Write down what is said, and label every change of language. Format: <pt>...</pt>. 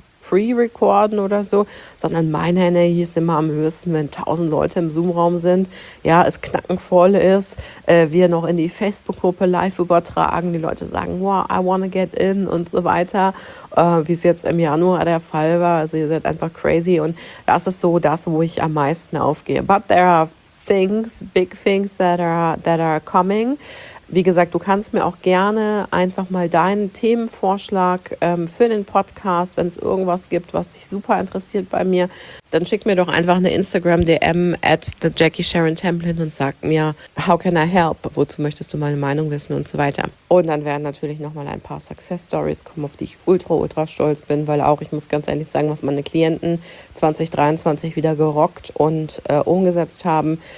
<de>pre-recorden oder so, sondern meine Energie ist immer am höchsten, wenn 1000 Leute im Zoom-Raum sind, ja, es knackenvoll ist, wir noch in die Facebook-Gruppe live übertragen, die Leute sagen, wow,</de> <en>I wanna get in</en> <de>und so weiter, wie es jetzt im Januar der Fall war, also ihr seid einfach crazy und das ist so das, wo ich am meisten aufgehe.</de> <en>But there are things, big things that are coming.</en> <de>Wie gesagt, du kannst mir auch gerne einfach mal deinen Themenvorschlag für den Podcast, wenn es irgendwas gibt, was dich super interessiert bei mir, dann schick mir doch einfach eine Instagram-DM @thejackiesharontemplin und sag mir,</de> <en>how can I help?</en> <de>Wozu möchtest du meine Meinung wissen und so weiter. Und dann werden natürlich nochmal ein paar Success-Stories kommen, auf die ich ultra, ultra stolz bin, weil auch, ich muss ganz ehrlich sagen, was meine Klienten 2023 wieder gerockt und umgesetzt haben.</de>